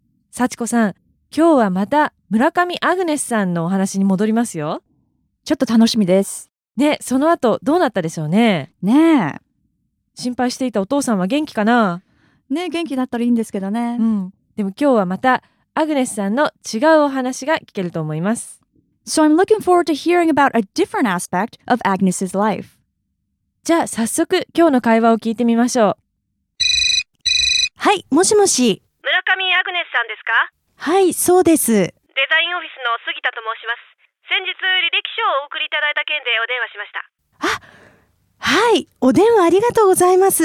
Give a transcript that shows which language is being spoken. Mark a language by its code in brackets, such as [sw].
[ja] 幸子さん、今日はまた村上アグネスさんのお話に戻りますよ。ちょっと楽しみですね。その後どうなったでしょうね。ねえ、心配していたお父さんは元気かな。ねえ、元気だったらいいんですけどね。うん、でも今日はまたアグネスさんの違うお話が聞けると思います。 [en] So I'm looking forward to hearing about a different aspect of Agnes's life. [ja] じゃあ早速今日の会話を聞いてみましょう。はい、もしもし、村上アグネスさんですか。はい、そうです。デザインオフィスの杉田と申します。先日履歴書をお送りいただいた件でお電話しました。あ、はい、お電話ありがとうございます。